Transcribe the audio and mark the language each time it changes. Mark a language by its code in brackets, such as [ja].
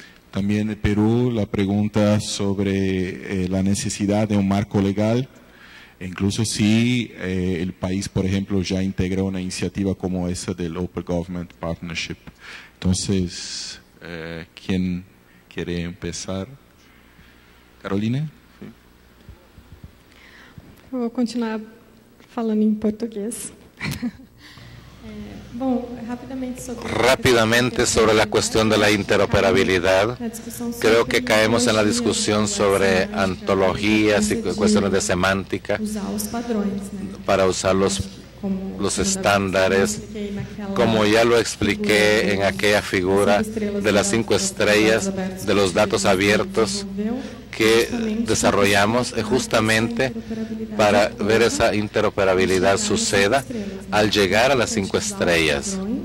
[es] También de Perú, la pregunta sobre la necesidad de un marco legal, incluso si el país, por ejemplo, ya integra una iniciativa como esa del Open Government Partnership. Entonces, ¿quién quiere empezar? Carolina? Sí. [pt] Vou continuar falando em português. Bom, [es] rápidamente sobre la cuestión de la interoperabilidad, creo que caemos en la discusión sobre antologías y cuestiones de semántica para usar los estándares, como ya lo expliqué en aquella figura de las 5 estrellas de los datos abiertos que desarrollamos, justamente para ver esa interoperabilidad suceda al llegar a las 5 estrellas.